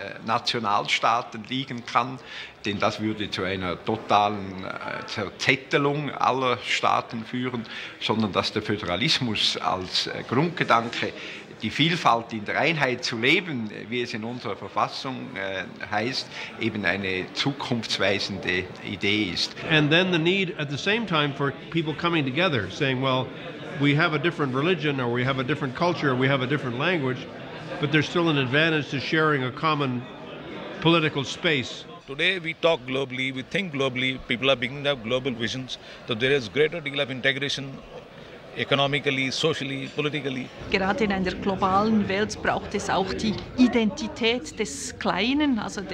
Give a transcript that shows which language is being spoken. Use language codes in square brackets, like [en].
[de] Nationalstaaten liegen kann, denn das würde zu einer totalen Zerzettelung aller Staaten führen, sondern dass der Föderalismus als Grundgedanke, die Vielfalt in der Einheit zu leben, wie es in unserer Verfassung heißt, eben eine zukunftsweisende Idee ist. [en] And then the need at the same time for people coming together, saying, well, we have a different religion, or we have a different culture, or we have a different language, but there's still an advantage to sharing a common political space. Today we talk globally, we think globally, people are beginning to have global visions, so there is a greater deal of integration economically, socially, politically. [de] Gerade in einer globalen Welt braucht es auch die Identität des Kleinen, also der